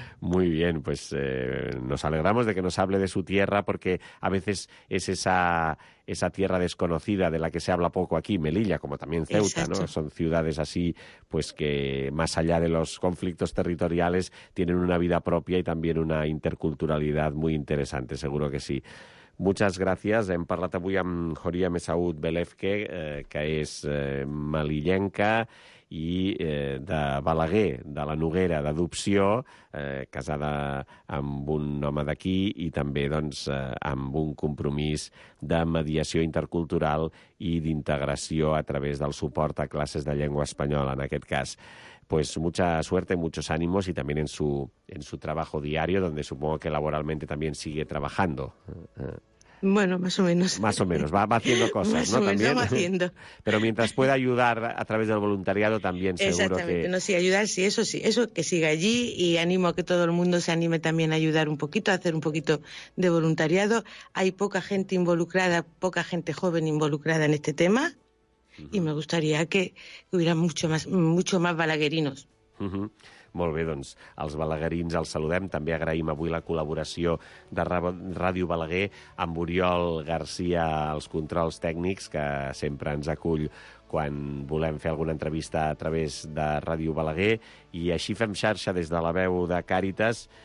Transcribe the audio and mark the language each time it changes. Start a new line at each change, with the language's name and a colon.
Spanish: Muy bien, pues nos alegramos de que nos hable de su tierra, porque a veces es esa tierra desconocida de la que se habla poco aquí, Melilla, como también Ceuta, exacto, ¿no? Son ciudades así, pues que más allá de los conflictos territoriales tienen una vida propia y también una interculturalidad muy interesante, seguro que sí. Muchas gràcies.
Catalan: Hem parlat avui amb Joria Messaoud Belefque, que és malillenca i de Balaguer, de la Noguera, d'adopció, casada amb un home d'aquí i també doncs, amb un compromís de mediació intercultural i d'integració a través del suport a classes de llengua espanyola, en aquest cas.
Spanish: Pues mucha suerte, muchos ánimos y también en su trabajo diario, donde supongo que laboralmente también sigue trabajando. Bueno, más o menos. Más o menos, va haciendo cosas, más ¿no? Más o menos también. Va haciendo. Pero mientras pueda ayudar a través del voluntariado también seguro. Exactamente. Que... Exactamente, no, sí, ayudar, sí, eso sí, eso que siga allí y animo a que todo el mundo se anime también a ayudar un poquito, a hacer un poquito de voluntariado. Hay poca gente involucrada, poca gente joven involucrada en este tema. Uh-huh. Y me gustaría que hubiera mucho más balaguerinos. Uh-huh.
Catalan: Molt bé, doncs, els balaguerins els saludem. També agraïm avui la col·laboració de Ràdio Balaguer amb Oriol García, als controls tècnics, que sempre ens acull quan volem fer alguna entrevista a través de Ràdio Balaguer. I així fem xarxa des de la veu de Càritas.